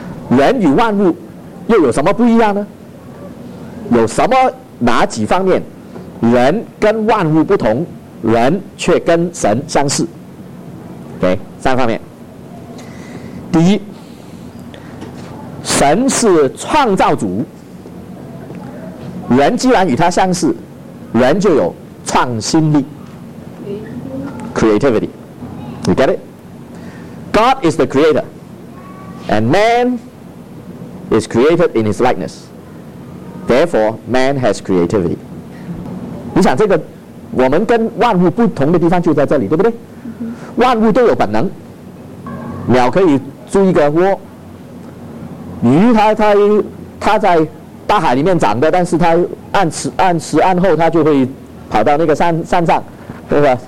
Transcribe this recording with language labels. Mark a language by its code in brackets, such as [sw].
[zh] 人与万物又有什么不一样呢？有什么哪几方面人跟万物不同，人却跟神相似？OK， 三方面。第一，神是创造主，人既然与他相似，人就有创新力 creativity。 [en] You get it? God is the creator and manis created in his likeness. Therefore, man has creativity. [zh] 你想这个我们跟万物不同的地方就在这里，对不对？万物都有本能，鸟可以筑一个窝，鱼它在大海里面长的，但是它按时按后它就会跑到那个山上，对吧？